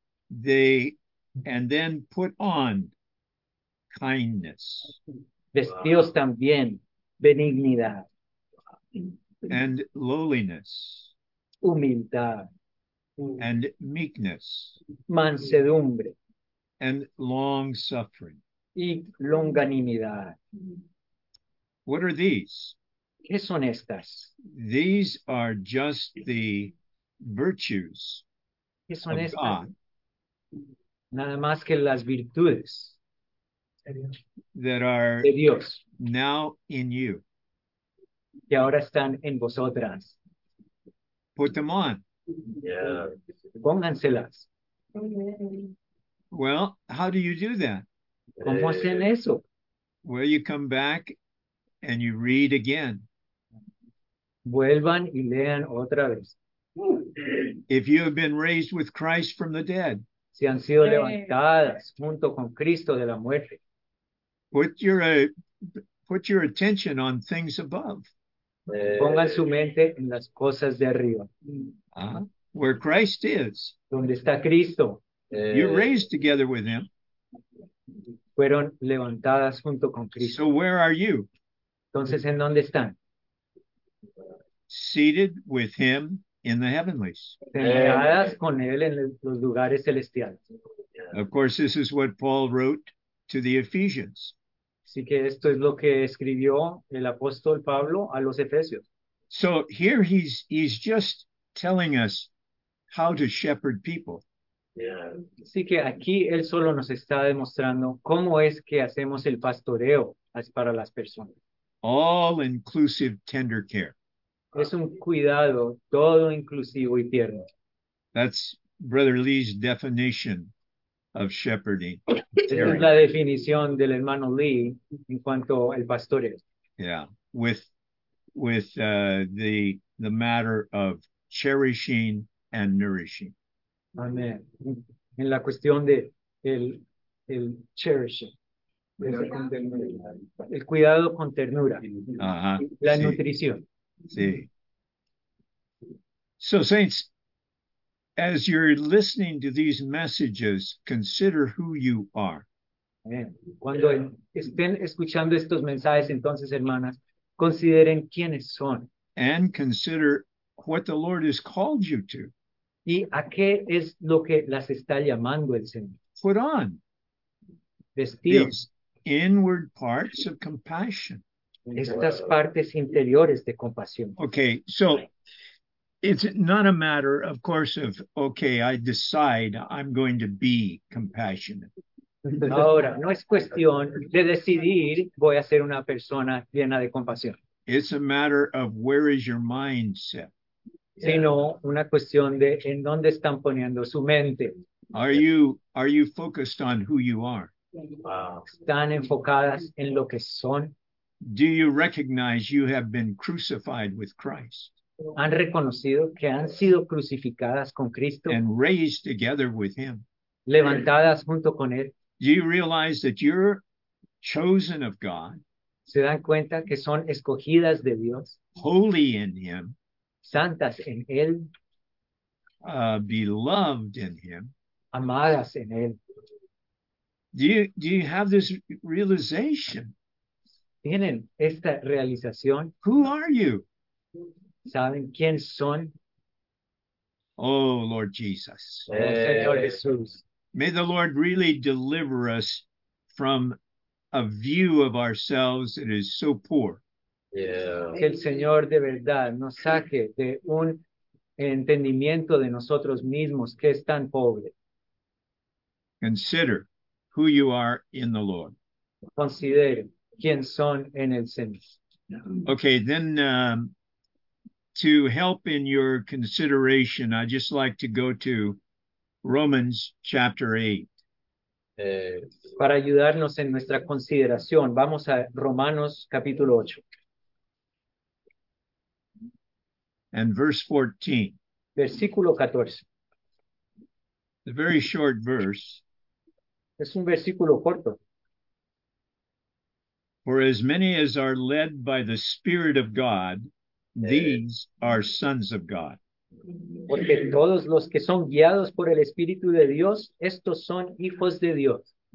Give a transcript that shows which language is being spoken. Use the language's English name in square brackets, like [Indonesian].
[English] They, and then put on kindness. [Spanish] Vestidos también, benignidad. [English] And lowliness. [Spanish] Humildad. [English] And meekness. [Spanish] Mansedumbre. [English] And long-suffering. [Spanish] Y longanimidad. [English] What are these? [Spanish] ¿Qué son estas? [English] These are just the virtues [Spanish] ¿Qué son [English] of [Spanish] estas? [English] God. [Spanish] Nada más que las virtudes [English] that are [Spanish] de Dios. [English] Now in you. [Spanish] Que ahora están en vosotras. [English] Put them on. Yeah. [Spanish] Pónganselas. [English] Well, how do you do that? [Spanish] ¿Cómo hacen eso? [English] Well, you come back and you read again. [Spanish] Vuelvan y lean otra vez. [English] If you have been raised with Christ from the dead, [Spanish] si han sido levantadas junto con Cristo de la muerte, [English] put your attention on things above. [Spanish] Pongan su mente en las cosas de arriba. [English] Where Christ is. [Spanish] Donde está Cristo. [English] You're raised together with him. [Spanish] Fueron levantadas junto con Cristo. [English] So where are you? [Spanish] Entonces, ¿en dónde están? [English] Seated with him in the heavenlies. [Spanish] Sentadas con él en los lugares celestiales. [English] Of course, this is what Paul wrote to the Ephesians. [Spanish] Así que esto es lo que escribió el apóstol Pablo a los Efesios. [English] So here he's just telling us how to shepherd people. Yeah. [Spanish] Así que aquí él solo nos está demostrando cómo es que hacemos el pastoreo para las personas. [English] All inclusive tender care. [Spanish] Es un cuidado todo inclusivo y tierno. [English] That's Brother Lee's definition of shepherding. [Spanish] Esa es la definición del hermano Lee en cuanto al pastoreo. [English] Yeah, with the matter of cherishing and nourishing. [Spanish] Amén. En la cuestión de el cherishing. El cuidado con ternura. Uh-huh. La sí. Nutrición. Sí. [English] So, saints, as you're listening to these messages, consider who you are. [Spanish] Cuando estén escuchando estos mensajes, entonces, hermanas, consideren quiénes son. [English] And consider what the Lord has called you to. [Spanish] ¿Y a qué es lo que las está llamando el Señor? [English] Put on. [Spanish] Vestidos. [English] These inward parts of compassion. [Spanish] estas partes interiores de compasión. [English] Okay, so it's not a matter, of course, of, okay, I decide I'm going to be compassionate. [Spanish] Ahora, no es cuestión de decidir voy a ser una persona llena de compasión. [English] It's a matter of where is your mindset. [Spanish] Sino una cuestión de en dónde están poniendo su mente. [English] Are you focused on who you are? [Spanish] Están enfocadas en lo que son. [English] Do you recognize you have been crucified with Christ? [Spanish] Han reconocido que han sido crucificadas con Cristo. [English] And raised together with him. [Spanish] Levantadas junto con él. [English] Do you realize that you're chosen of God? [Spanish] Se dan cuenta que son escogidas de Dios. [English] Holy in him. [Spanish] Santas en él. [English] Beloved in him. [Spanish] Amadas en él. [English] Do you have this realization? [Spanish] Tienen esta realización. [English] Who are you? [Spanish] ¿Saben quién son? [English] Oh, Lord Jesus. [Spanish] Oh, Señor Jesús. [English] May the Lord really deliver us from a view of ourselves that is so poor. Yeah. [Spanish] Que el Señor de verdad nos saque de un entendimiento de nosotros mismos que es tan pobre. [English] Consider who you are in the Lord. [Spanish] Consideren quién son en el Señor. [English] Okay, then to help in your consideration, I'd just like to go to Romans chapter 8. [Spanish] Para ayudarnos en nuestra consideración, vamos a Romanos capítulo 8. [English] And verse 14. [Spanish] Versículo 14. [English] The very short verse. [Spanish] Es un versículo corto. [English] For as many as are led by the Spirit of God, these are sons of God. [Spanish] Porque todos los que son guiados por el Espíritu de Dios, estos son hijos de Dios.